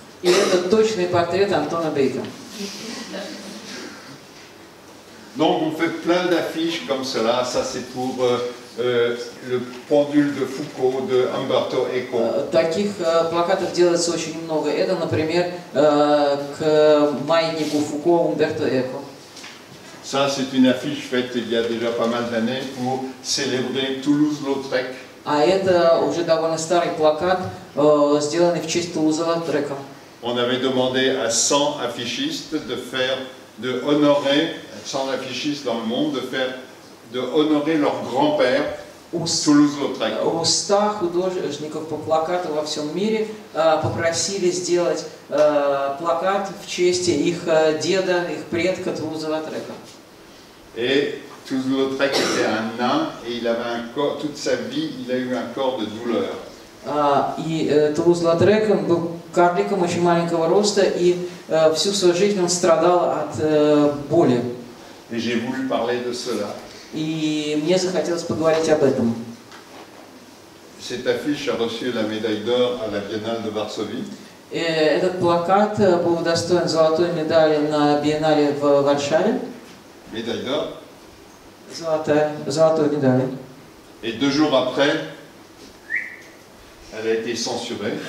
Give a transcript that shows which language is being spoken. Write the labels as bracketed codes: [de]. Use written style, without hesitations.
[ru] И это точный портрет Антона Бейка. [fr] Donc on fait plein d'affiches comme cela. Ça c'est pour le pendule de Foucault de Umberto Eco. [ru] Таких плакатов делается очень много. Это, например, к маятнику Фуко Умберто Эко. [fr] Ça, c'est une affiche faite il y a déjà pas mal d'années pour célébrer Toulouse-Lautrec. [ru] А это уже довольно старый плакат, сделанный в честь Тулуза-Лотрека. [fr] On avait demandé à 100 affichistes de faire, de honorer 100 affichistes dans le monde, de faire, de honorer leur grand-père, Toulouse-Lautrec. [ru] У 100 художников по плакату во всем мире попросили сделать плакат в честь их деда, их предка Тулуза-Лотрека. [fr] Toulouse-Lautrec était un nain et il avait un corps, toute sa vie, il a eu un corps de douleur. [ru] Toulouse-Lautrec был карликом очень маленького роста и всю свою жизнь он страдал от боли. [fr] Et j'ai voulu parler de cela. [ru] И мне захотелось поговорить об этом. [fr] Cette affiche a reçu la médaille d'or à la Biennale de Varsovie. [ru] Этот плакат был удостоен золотой медали на Биеннале в Варшаве. Медаль [fr] d'or. [ru] Золотая медаль. [fr] Et deux jours après, elle a été censurée.